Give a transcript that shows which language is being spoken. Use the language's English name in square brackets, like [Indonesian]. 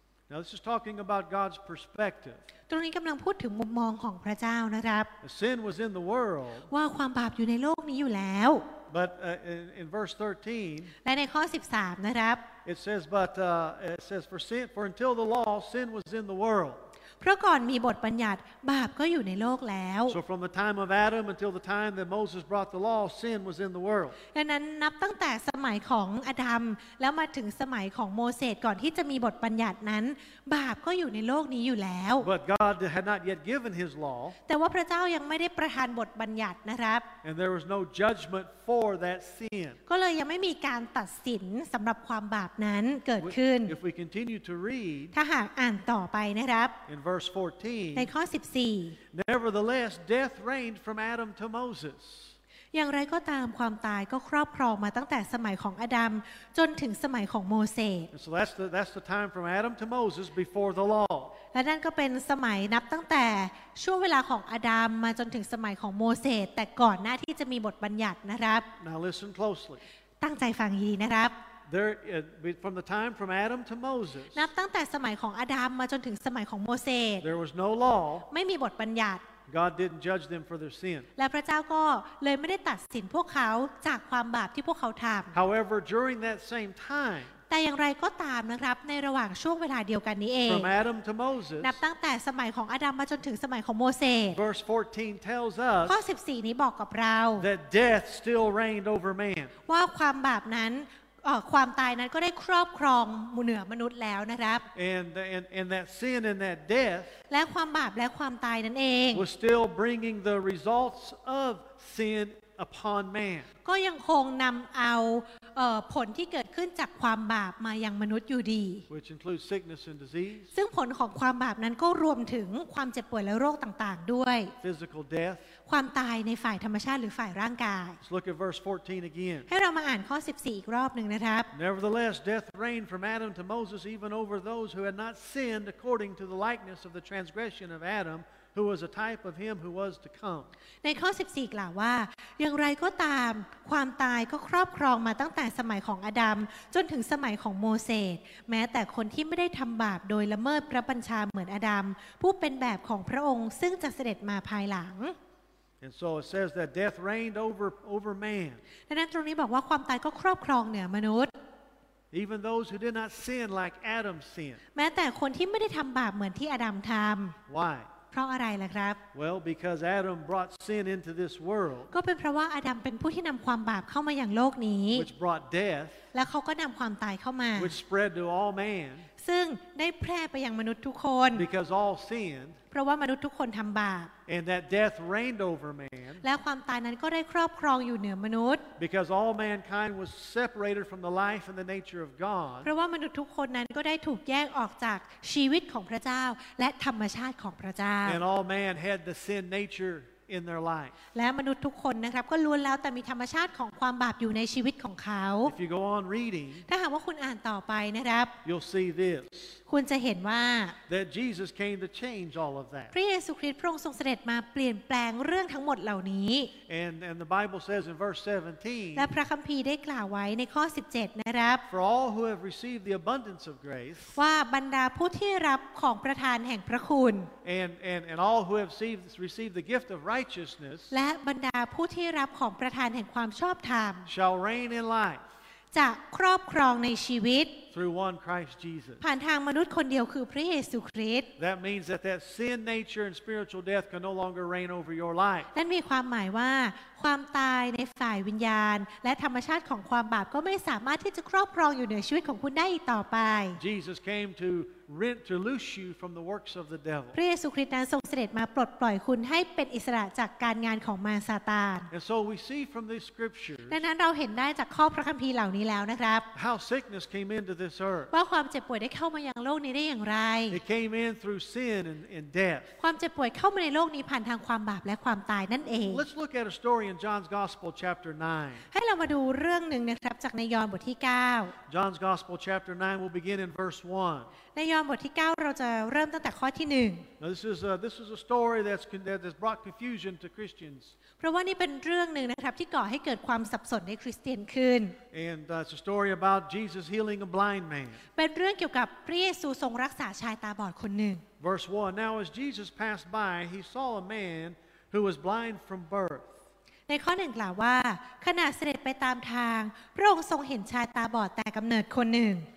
[English] Now this is talking about God's perspective. [Thai] ตรงนี้กำลังพูดถึงมุมมองของพระเจ้านะครับ [English] Sin was in the world. [Thai] ว่าความบาปอยู่ในโลกนี้อยู่แล้ว [English] But in verse 13. [Thai] และในข้อ13นะครับ [English] It says but it says for sin for until the law sin was in the world. [Thai] เพราะก่อนมีบทบัญญัติบาปก็อยู่ในโลกแล้ว [English] So from the time of Adam until the time that Moses brought the law sin was in the world [Thai] ดังนั้นนับตั้งแต่สมัยของอาดัมแล้วมาถึงสมัยของโมเสสก่อนที่จะมีบทบัญญัตินั้นบาปก็อยู่ในโลกนี้อยู่แล้ว [English] But God had not yet given his law [Thai] แต่ว่าพระเจ้ายังไม่ได้ประทานบทบัญญัตินะครับ [English] And there was no judgment for that sin [Thai] ก็เลยยังไม่มีการตัดสินสำหรับความบาปนั้นเกิดขึ้น [English] If we continue to read [Thai] ถ้าหากอ่านต่อไปนะครับ [English] Verse 14. [Thai] ในข้อ 14. [English] Nevertheless, death reigned from Adam to Moses. [Thai] อย่างไรก็ตามความตายก็ครอบครองมาตั้งแต่สมัยของอาดัมจนถึงสมัยของโมเสส [English] So that's the time from Adam to Moses before the law. [Thai] และนั่นก็เป็นสมัยนับตั้งแต่ช่วงเวลาของอาดัมมาจนถึงสมัยของโมเสสแต่ก่อนหน้าที่จะมีบทบัญญัตินะครับ [English] Now listen closely. [Thai] ตั้งใจฟังดีนะครับ [English] From the time from Adam to Moses, [Thai] นับตั้งแต่สมัยของอาดัมมาจนถึงสมัยของโมเสส [English] there was no law. [Thai] ไม่มีบทบัญญัติ [English] God didn't judge them for their sin. [Thai] และพระเจ้าก็เลยไม่ได้ตัดสินพวกเขาจากความบาปที่พวกเขาทำ [English] However, during that same time. [Thai] แต่อย่างไรก็ตามนะครับในระหว่างช่วงเวลาเดียวกันนี้เอง [English] From Adam to Moses [Thai] นับตั้งแต่สมัยของอาดัมมาจนถึงสมัยของโมเสส [English] Verse 14 tells us [Thai] ข้อ14นี้บอกกับเรา [English] that death still reigned over man [Thai] ว่าความบาปนั้นความตายนั้นก็ได้ครอบครองเหนือมนุษย์แล้วนะครับ [English] and that sin and that death [Thai] และความบาปและความตายนั้นเอง [English] was still bringing the results of sin upon man [Thai] ก็ยังคงนำเอาผลที่เกิดขึ้นจากความบาปมายังมนุษย์อยู่ดี [English] which includes sickness and disease [Thai] ซึ่งผลของความบาปนั้นก็รวมถึงความเจ็บป่วยและโรคต่างๆด้วย [English] physical death [Thai] ความตายในฝ่ายธรรมชาติหรือฝ่ายร่างกาย [English] Let's look at verse 14 again. [Thai] ให้เรามาอ่านข้อ14อีกรอบหนึ่งนะครับ [English] Nevertheless, death reigned from Adam to Moses, even over those who had not sinned according to the likeness of the transgression of Adam, who was a type of him who was to come. [Thai] ในข้อ14กล่าวว่าอย่างไรก็ตามความตายก็ครอบครองมาตั้งแต่สมัยของอาดัมจนถึงสมัยของโมเสสแม้แต่คนที่ไม่ได้ทำบาปโดยละเมิดพระบัญชาเหมือนอาดัมผู้เป็นแบบของพระองค์ซึ่งจะเสด็จมาภายหลัง [English] And so it says that death reigned over man. [Thai] ดังนั้นตรงนี้บอกว่าความตายก็ครอบครองเหนือมนุษย์ [English] Even those who did not sin like Adam sinned. [Thai] แม้แต่คนที่ไม่ได้ทำบาปเหมือนที่อาดัมทำ [English] Why? [Thai] เพราะอะไรล่ะครับ [English] Well, because Adam brought sin into this world. [Thai] ก็เป็นเพราะว่าอาดัมเป็นผู้ที่นำความบาปเข้ามายังโลกนี้ [English] Which brought death. [Thai] และเขาก็นำความตายเข้ามา [English] which spread to all man [Thai] ซึ่งได้แพร่ไปยังมนุษย์ทุกคน [English] because all sinned [Thai] เพราะว่ามนุษย์ทุกคนทำบาป [English] and that death reigned over man [Thai] และความตายนั้นก็ได้ครอบครองอยู่เหนือมนุษย์ [English] because all mankind was separated from the life and the nature of God [Thai] เพราะว่ามนุษย์ทุกคนนั้นก็ได้ถูกแยกออกจากชีวิตของพระเจ้าและธรรมชาติของพระเจ้า [English] and all man had the sin natureIn their life. [Thai] และมนุษย์ทุกคนนะครับก็ล้วนแล้วแต่มีธรรมชาติของความบาปอยู่ในชีวิตของเขา [English] If you go on reading, [Thai] ถ้าหากว่าคุณอ่านต่อไปนะครับ [English] You'll see this. [Thai] คุณจะเห็นว่า [English] That Jesus came to change all of that. [Thai] พระเยซูคริสต์พระองค์ทรงเสด็จมาเปลี่ยนแปลงเรื่องทั้งหมดเหล่านี้ [English] And the Bible says in verse 17. [Thai] และพระคัมภีร์ได้กล่าวไว้ในข้อ17นะครับ [English] For all who have received the abundance of grace. [Thai] ว่าบรรดาผู้ที่รับของประทานแห่งพระคุณ [English] And all who have received the gift of righteousness [Thai] และบรรดาผู้ที่รับของประทานแห่งความชอบธรรม [English] shall reign in life [Thai] จะครอบครองในชีวิต [English] through one Christ Jesus [Thai] ผ่านทางมนุษย์คนเดียวคือพระเยซูคริสต์ [English] that means that sin nature and spiritual death can no longer reign over your life [Thai] นั่นมีความหมายว่าความตายในฝ่ายวิญญาณและธรรมชาติของความบาปก็ไม่สามารถที่จะครอบครองอยู่เหนือชีวิตของคุณได้อีกต่อไป [English] Jesus came to rent to loose you from the works of the devil [Thai] พระเยซูคริสต์นั้นทรงเสด็จมาปลดปล่อยคุณให้เป็นอิสระจากการงานของมารซาตาน [English] And so we see from the scriptures [Thai] ดังนั้นเราเห็นได้จากข้อพระคัมภีร์เหล่านี้แล้วนะครับ [English] How sickness came into this earth [Thai] ว่าความเจ็บป่วยได้เข้ามายังโลกนี้ได้อย่างไร [English] It came in through sin and death [Thai] ความเจ็บป่วยเข้ามาในโลกนี้ผ่านทางความบาปและความตายนั่นเอง [English] Let's look at a story in John's Gospel chapter 9 [Thai] ให้เรามาดูเรื่องนึงนะครับจากในยอห์นบทที่9 [English] John's Gospel chapter 9 will begin in verse 1 [Thai] ในยอห์นบทที่9เราจะเริ่มตั้งแต่ข้อที่1 [English] Now this is a story that's brought confusion to Christians [Thai] เพราะว่านี่เป็นเรื่องนึงนะครับที่ก่อให้เกิดความสับสนในคริสเตียนขึ้น [English] And it's a story about Jesus healing a blind man [Thai] เป็นเรื่องเกี่ยวกับพระเยซูทรงรักษาชายตาบอดคนหนึ่ง [English] Verse 1 Now as Jesus passed by he saw a man who was blind from birthth [Thai] ในข้อ1กล่าวว่าขณะเสด็จไปตามทางพระองค์ทรงเห็นชายตาบอดแต่กำเนิดคนหนึ่ง